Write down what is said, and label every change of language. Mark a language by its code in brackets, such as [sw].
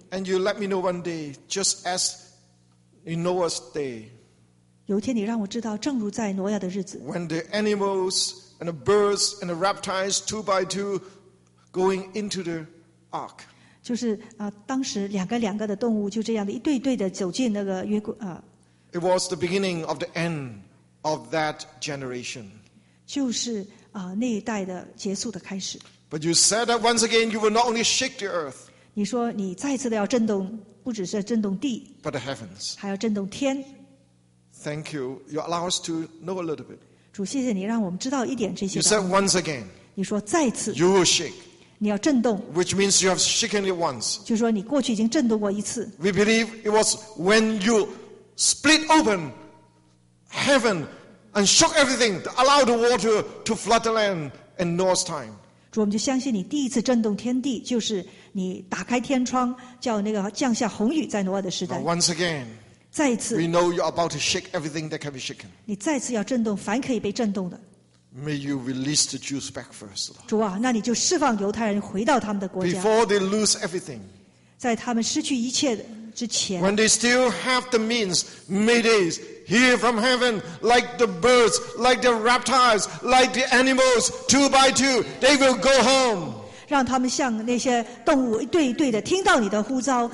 [en] And you let me know one day, just as in Noah's day. [zh] 有天你让我知道，正如在挪亚的日子。 [en] When the animals and the birds and the reptiles two by two going into the ark. [zh] 就是当时两个两个的动物就这样的一对对的走进那个约柜啊。 [en] It was the beginning of the end of that generation. [zh] 就是那一代的结束的开始。 [en] But you said that once again, you will not only shake the earth. [zh] 你说你再次的要震动，不只是震动地， [en] but the heavens. [zh] 还要震动天。 [en] Thank you. You allow us to know a little bit. [zh] 主，谢谢你让我们知道一点这些。 [en] You said once again. [zh] 你说再次。 [en] You will shake. [zh] 你要震动。 [en] Which means you have shaken it once. [zh] 就说你过去已经震动过一次。 [en] We believe it was when you split open heaven and shook everything, allowed the water to flood the land in Noah's time. [zh] 主，我们就相信你第一次震动天地，就是你打开天窗，叫那个降下洪雨在挪亚的时代。 [en] But once again, [zh] 再一次 [en] ，We know you're about to shake everything that can be shaken. [zh] 你再次要震动凡可以被震动的。 [en] May you release the Jews back first, Lord. [zh] 主啊，那你就释放犹太人回到他们的国家。 [en] Before they lose everything, [zh] 在他们失去一切之前。 [en] When they still have the means, may they hear from heaven, like the birds, like the reptiles, like the animals, two by two, they will go home. [zh] 让他们像那些动物一对一对的听到你的呼召，